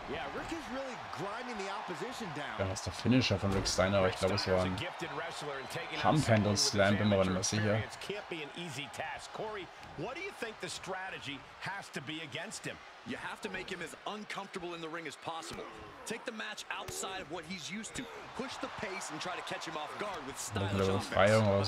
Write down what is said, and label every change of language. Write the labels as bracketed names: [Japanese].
[English] Yeah, Rick is really grinding the opposition down. [German] Ja, das ist der Finisher von Rick Steiner, aber ich glaube, es war ein Pump Handle Slam, bin mir aber nicht mehr sicher. [English] It can't be an easy task. Corey, what do you think the strategy has to be against him? You have to make him as uncomfortable in the ring as possible. Take the match outside of what he's used to. Push the pace and try to catch him off guard with stylish offense.